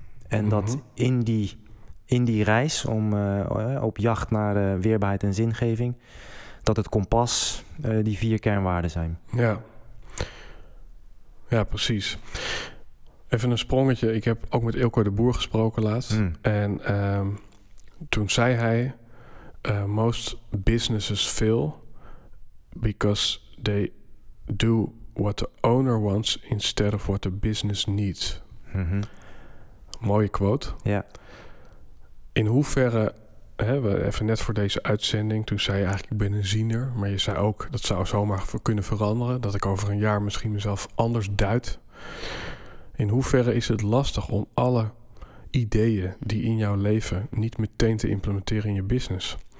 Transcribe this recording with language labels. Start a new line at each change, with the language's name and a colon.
Dutch: En dat in die reis om op jacht naar weerbaarheid en zingeving, dat het kompas die vier kernwaarden zijn. Ja. Ja, precies. Even een sprongetje. Ik heb ook met Ilko de Boer gesproken laatst. Mm. En toen zei hij,
English: most businesses fail because they do what the owner wants instead of what the business needs.
Dutch: Mm-hmm. Mooie quote. Ja. In hoeverre, even net voor deze uitzending, toen zei je eigenlijk, ik ben een ziener, maar je zei ook, dat zou zomaar kunnen veranderen, dat ik over een jaar misschien mezelf anders duid. In hoeverre is het lastig om alle ideeën die in jouw leven niet meteen te implementeren in je business?